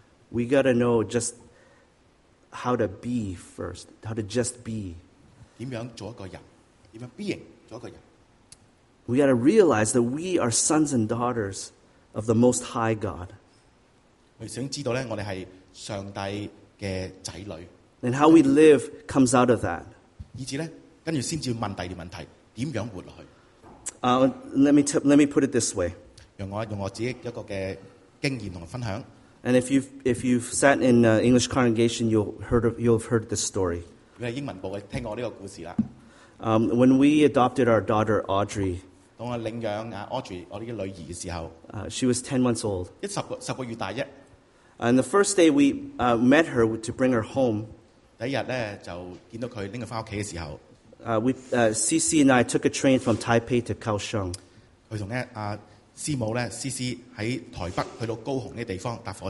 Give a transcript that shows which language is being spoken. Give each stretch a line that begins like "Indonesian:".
English: we gotta know just how to be first, how to just be.
Chinese: 怎樣做一個人, 怎樣being做一個人?
English: We gotta realize that we are sons and daughters of the Most High God.
Chinese: 我們想知道呢, 我們是上帝的子女。
English: And how we live comes out of that.
Chinese: 以致呢, 跟著才要問第二個問題, 怎樣活下去?
English: Let me put it this way.
Chinese: 用我自己一個的經驗和分享。
English: And if you've sat in an English congregation, you've heard this story.
Chinese: 你是英文部的,
English: when we adopted our daughter Audrey,
Chinese: 當我領養, Audrey, 我這個女兒的時候,
English: she was 10 months old.
Chinese: 十個月大一,
English: and the first day we met her to bring her home,
Chinese: 第一天就見到她拎她回家的時候,
English: CC and I took a train from Taipei to Kaohsiung.
Chinese: 她和, 師母呢, CC在台北去到高雄的地方,